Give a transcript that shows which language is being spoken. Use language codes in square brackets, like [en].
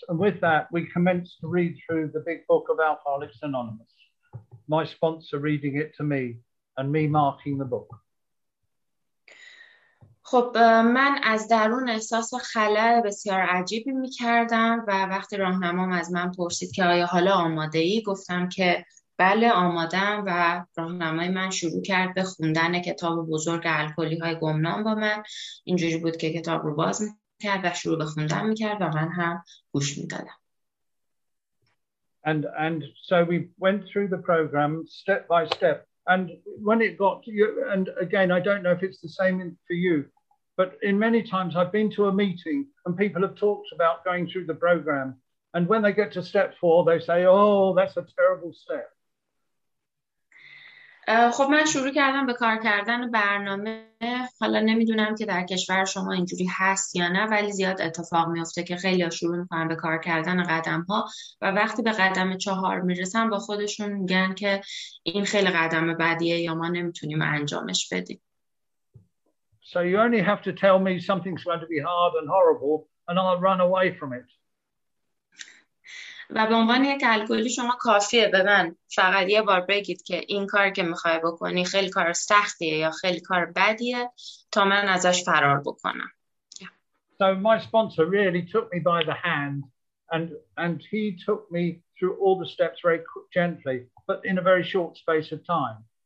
[en] And with that, we commenced to read through the big book of Alcoholics Anonymous. My sponsor reading it to me and me marking the book. [fa] خب من از درون احساس خلأ بسیار عجیبی می کردم و وقتی راهنمام از من پرسید که آیا حالا آماده ای؟ گفتم که بله آمادم و راهنمای من شروع کرد به خوندن کتاب بزرگ الکلی های گمنام با من. اینجوری بود که کتاب رو باز میکرد و شروع به خوندن میکرد و من هم گوش میدادم. [en] And so we went through the program step by step. And when it got to you, and again, I don't know if it's the same for you, but in many times I've been to a meeting and people have talked about going through the program. And when they get to step 4, they say, oh, that's a terrible step. [fa] خب من شروع کردم به کار کردن برنامه. حالا نمیدونم که در کشور شما اینجوری هست یا نه، ولی زیاد اتفاق میفته که خیلی ها شروع میکنن به کار کردن قدم ها و وقتی به قدم 4 میرسن با خودشون میگن که این خیلی قدم بدیه یا ما نمیتونیم انجامش بدیم. [en] So you only have to tell me something's going to be hard and horrible and I'll run away from it. [fa] و به عنوان یک الکلی شما کافیه به من فقط یه بار بگید که این کار که میخوای بکنی خیلی کار سختیه یا خیلی کار بدیه تا من ازش فرار بکنم. [en] So my sponsor really took me by the hand and he took me through all the steps very gently but in a very short space of time.